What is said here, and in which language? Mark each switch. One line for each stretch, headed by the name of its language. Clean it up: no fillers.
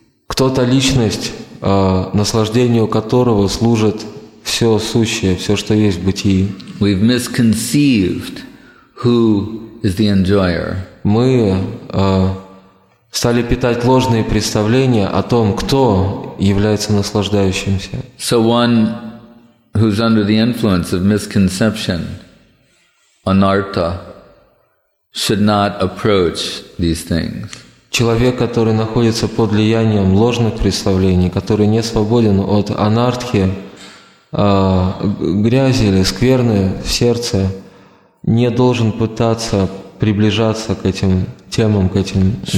Russian: Кто-то личность, наслаждению которого служит все сущее, все, что есть в бытии.
English: We've misconceived who is the enjoyer.
Russian: Мы стали питать ложные представления о том, кто является наслаждающимся.
English: So one who's under the influence of misconception, anartha, should not approach these things.
Russian: Человек, который находится под влиянием ложных представлений, который не свободен от анартхи, грязи или скверны в сердце, не должен пытаться приближаться к этим темам, к этим